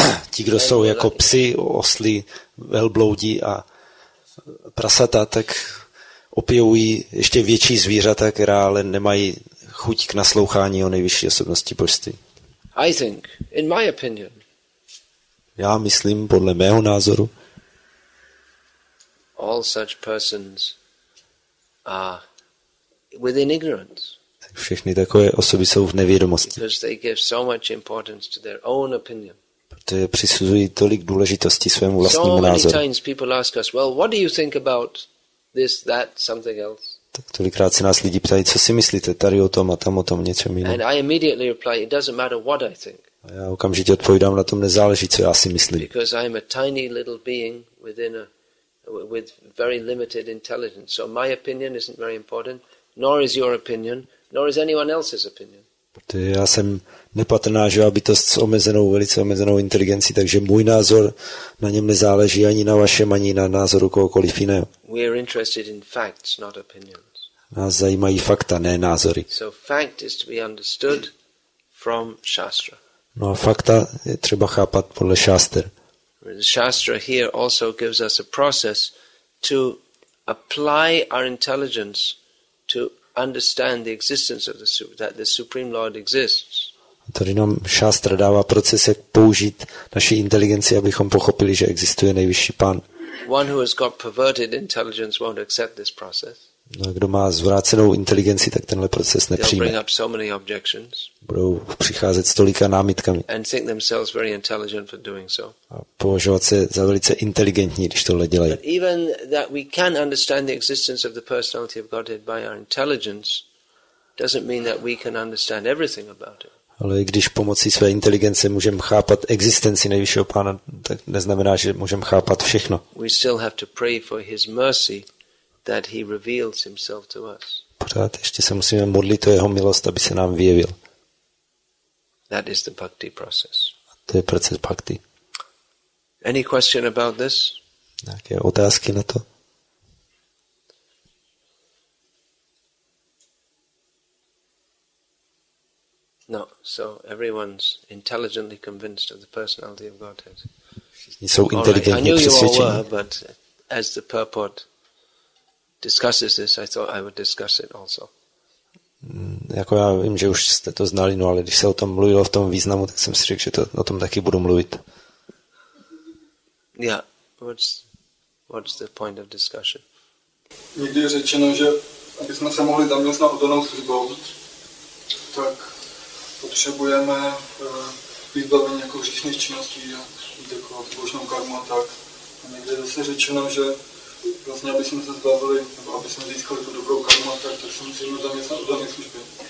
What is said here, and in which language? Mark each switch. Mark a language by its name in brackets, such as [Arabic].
[Czech] Ti, kdo jsou jako psi, osly, velbloudi a prasata, tak opijují ještě větší zvířata, která ale nemají chuť k naslouchání o nejvyšší osobnosti božství. [English] I think, in my opinion, [Czech] já myslím, podle mého názoru, [English] all such persons are within ignorance. [Czech] Všechny takové osoby jsou v nevědomosti. [English] Because they give so much importance to their own opinion. [Czech] Protože přisuzují tolik důležitosti svému vlastnímu názoru. [English] So many times people ask us, well, what do you think about this, that, something else? [Czech] Tak tolikrát se nás lidi ptají, co si myslíte tady o tom a tam o tom něco jiného. [English] And I immediately reply, it doesn't matter what I think. [Czech] A já okamžitě odpovídám, na tom nezáleží, co já si myslím. [English] Because I am a tiny little being with very limited intelligence. So my opinion isn't very important, nor is your opinion, nor is anyone else's opinion. [Czech] Protože já jsem nepatrná živá bytost s omezenou, velice omezenou inteligencí, takže můj názor na něm nezáleží ani na vašem, ani na názoru kohokoliv jiného. [English] We are interested in facts, not opinions. [Czech] Nás zajímají fakta, ne názory. [English] So fact is to be understood from Shastra. [Czech] No a fakta je třeba chápat podle šáster. [English] The Shastra here also gives us a process to apply our intelligence to understand the existence of the that the Supreme Lord exists. [Czech] Tady nám Shastra dává proces, jak použít naši inteligenci, abychom pochopili, že existuje nejvyšší pán. [English] One who has got perverted intelligence won't accept this process. [Czech] No, kdo má zvrácenou inteligenci, tak tenhle proces nepřijme. [English] They'll bring up so many objections. [Czech] Budou přicházet s tolika námitkami. [English] And think themselves very intelligent for doing so. [Czech] A považovat se za velice inteligentní, když tohle dělají. [English] But even that we can understand the existence of the personality of Godhead by our intelligence doesn't mean that we can understand everything about it. [Czech] Ale i když pomocí své inteligence můžeme chápat existenci nejvyššího pána, tak neznamená, že můžeme chápat všechno. [English] We still have to pray for his mercy that he reveals himself to us. [Czech] Pořád ještě se musíme modlit o jeho milost, aby se nám vyjevil. [English] That is the bhakti process. [Czech] A to je proces bhakti. [English] Any question about this? [Czech] Nějaké otázky na to? [English] No, so everyone's intelligently convinced of the personality of Godhead. [Czech] Jsou inteligentně přesvědčeni. [English] Right. But as the purport discusses this, I thought I would discuss it also. [Czech] Jako já vím, že už jste to znali, no ale když se o tom mluvilo v tom významu, tak jsem si řekl, že to, o tom taky budu mluvit. [English] Yeah, what's the point of discussion? [Czech] Někdy je řečeno, že abychom se mohli tam dělat na odolnou službou, tak potřebujeme vybavení jako všichných činností a takovou božnou karmu a tak. A někdy je zase řečeno, že vlastně, aby jsme se zbavili, nebo aby jsme získali tu dobrou karmu, tak se musíme tam dělat na odolné službě.